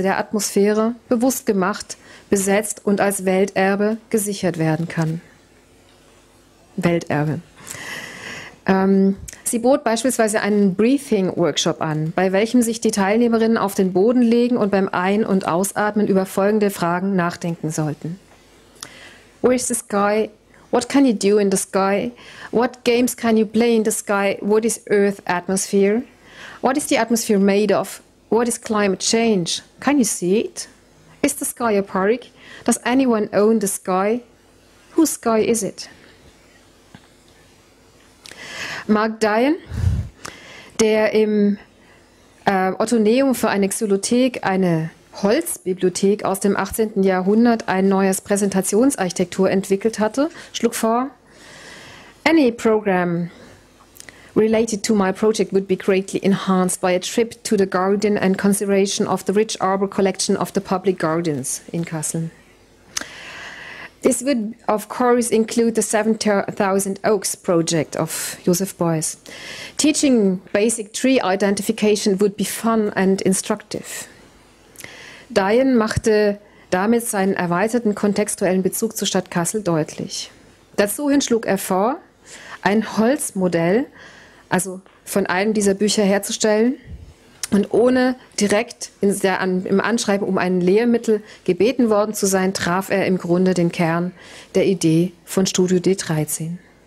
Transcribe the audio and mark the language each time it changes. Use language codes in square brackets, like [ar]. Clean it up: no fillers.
[de] der Atmosphäre bewusst gemacht, besetzt und als Welterbe gesichert werden kann. Welterbe. Sie bot beispielsweise einen Breathing-Workshop an, bei welchem sich die Teilnehmerinnen auf den Boden legen und beim Ein- und Ausatmen über folgende Fragen nachdenken sollten. [en] Where is the sky? What can you do in the sky? What games can you play in the sky? What is Earth atmosphere? What is the atmosphere made of? What is climate change? Can you see it? Is the sky a park? Does anyone own the sky? Whose sky is it? [de] Mark Dyan, der im Otoneum für eine Xylothek, eine Holzbibliothek aus dem 18. Jahrhundert, ein neues Präsentationsarchitektur entwickelt hatte, schlug vor, [en] any program related to my project would be greatly enhanced by a trip to the garden and consideration of the rich arbor collection of the public gardens in Kassel. This would, of course, include the 7,000 Oaks project of Joseph Beuys. Teaching basic tree identification would be fun and instructive. [de] Dyan machte damit seinen erweiterten kontextuellen Bezug zur Stadt Kassel deutlich. Dazu hin schlug er vor, ein Holzmodell, also von einem dieser Bücher herzustellen und ohne direkt im Anschreiben um ein Lehrmittel gebeten worden zu sein, traf er im Grunde den Kern der Idee von Studio D13.